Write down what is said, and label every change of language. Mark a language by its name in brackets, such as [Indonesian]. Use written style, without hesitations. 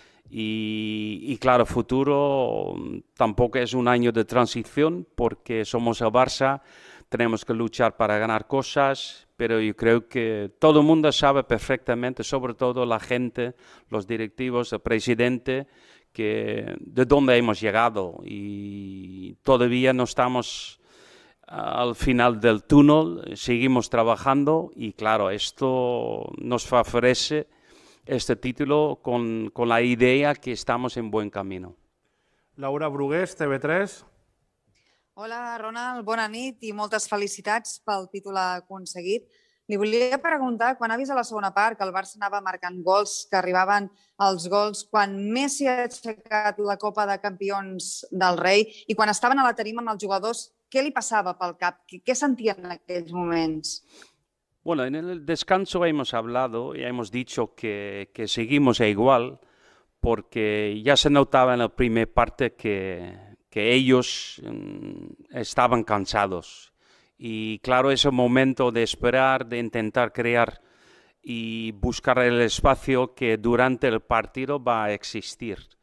[Spanish] Y claro, futuro tampoco es un año de transición porque somos el Barça, tenemos que luchar para ganar cosas, pero yo creo que todo el mundo sabe perfectamente, sobre todo la gente, los directivos, el presidente, que de dónde hemos llegado y todavía no estamos al final del túnel, seguimos trabajando y claro, esto nos favorece este título con la idea que estamos en buen camino. [Catalan] Laura Brugués, TV3. Hola, Ronald, bona nit i moltes felicitats pel títol aconseguit. Li volia preguntar, quan ha vist a la segona part que el Barça anava marcant gols, que arribaven els gols, quan Messi ha aixecat la Copa de Campions del Rei i quan estaven a la tarima amb els jugadors, què li passava pel cap? Què sentia en aquells moments? [Spanish] Bueno, en el descanso hemos hablado y hemos dicho que seguimos igual porque ya se notaba en la primera parte que ellos estaban cansados. Y claro, ese momento de esperar, de intentar crear y buscar el espacio que durante el partido va a existir.